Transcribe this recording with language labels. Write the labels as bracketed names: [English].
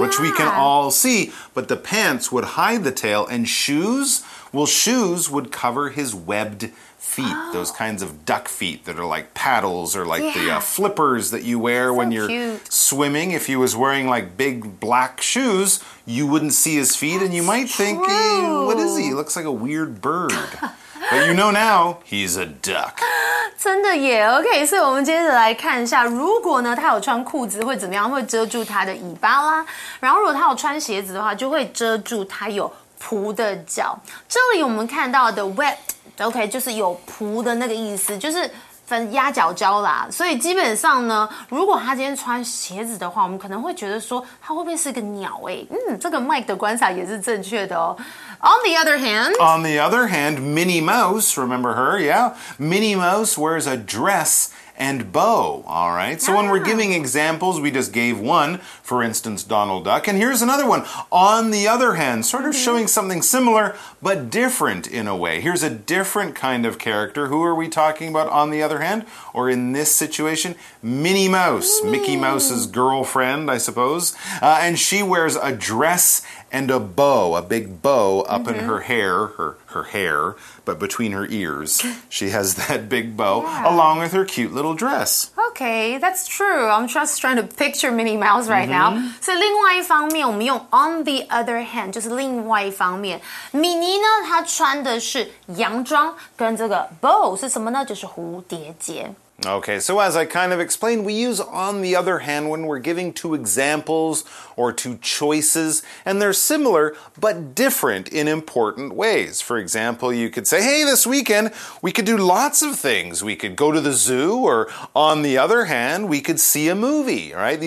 [English] which we can all see. But the pants would hide the tail, and shoes, well, shoes would cover his webbed feet,、oh. those kinds of duck feet that are like paddles or like、yeah. the、flippers that you wear、 so、 when you're、 cute. Swimming. If he was wearing like big black shoes, you wouldn't see his feet,、 That's、 and you might、 true. Think, hey, what is he? He looks like a weird bird. But you know now, he's a duck. [Chinese] 真的耶 ,OK, 所以我们接着来看一下如果呢他有穿裤子会怎么样会遮住他的尾巴啦。然后如果他有穿鞋子的话就会遮住他有蹼的脚。这里我们看到的 wet, OK, 就是有蹼的那个意思就是分鸭脚胶啦。所以基本上呢如果他今天穿鞋子的话我们可能会觉得说他会不会是个鸟诶嗯这个 Mike 的观察也是正确的哦。 [English] On the other hand, Minnie Mouse, remember her, yeah? Minnie Mouse wears a dress and bow, all right? So、yeah. when we're giving examples, we just gave one, for instance, Donald Duck. And here's another one. On the other hand, sort of、mm-hmm. showing something similar, but different in a way. Here's a different kind of character. Who are we talking about on the other hand? Or in this situation, Minnie Mouse,、mm-hmm. Mickey Mouse's girlfriend, I suppose.、and she wears a dress and a bow, a big bow up、mm-hmm. in her hair, her hair, but between her ears. She has that big bow、yeah. along with her cute little dress. Okay, that's true. I'm just trying to picture Minnie Mouse right、mm-hmm. now. So, [Chinese] 另外一方面我们用 [English] on the other hand, [Chinese] 就是另外一方面。米妮呢她穿的是洋装跟这个 bow 是什么呢就是蝴蝶结。 [English] Okay, so as I kind of explained, we use on the other hand when we're giving two examples or two choices, and they're similar but different in important ways. For example, you could say, hey, this weekend we could do lots of things. We could go to the zoo, or on the other hand, we could see a movie, right?